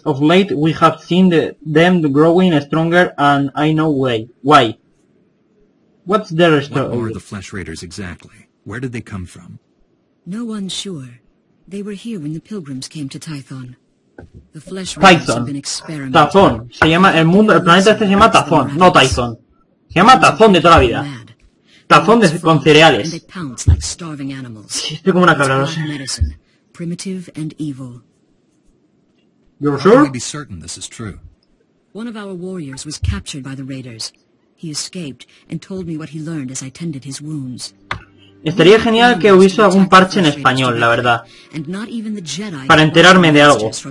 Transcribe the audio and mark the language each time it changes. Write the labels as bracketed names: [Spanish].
[English] Of late, we have seen them growing stronger, and I know why. What's their story? What were the Flesh Raiders exactly? Where did they come from? No one's sure. They were here when the pilgrims came to Tython. The Flesh Raiders have been experimenting. Tython. [Spanish] Se llama el mundo, el planeta este se llama Tython, no Tython. Se llama Tython de toda la vida. Tazón de, con cereales. Sí, estoy como una cabra, no sé. [English] Primitive and evil. You're sure? I'm pretty certain this is true. One of our warriors was captured by the raiders. He escaped and told me what he learned as I tended his wounds. [Spanish] Estaría genial que hubiese algún parche en español, la verdad, para enterarme de algo.